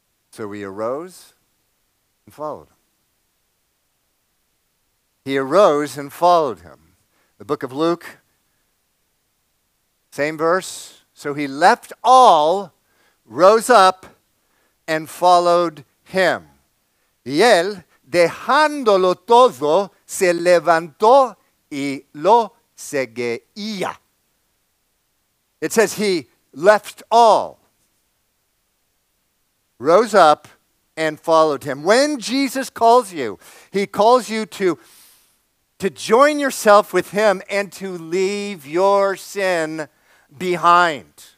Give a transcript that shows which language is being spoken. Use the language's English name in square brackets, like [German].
[English] So he arose and followed him. He arose and followed him. The book of Luke, same verse. So he left all, rose up, and followed him. [Spanish] Y él, dejándolo todo, se levantó y lo seguía. [English] It says he left all, rose up, and followed him. When Jesus calls you, he calls you to join yourself with him and to leave your sin behind.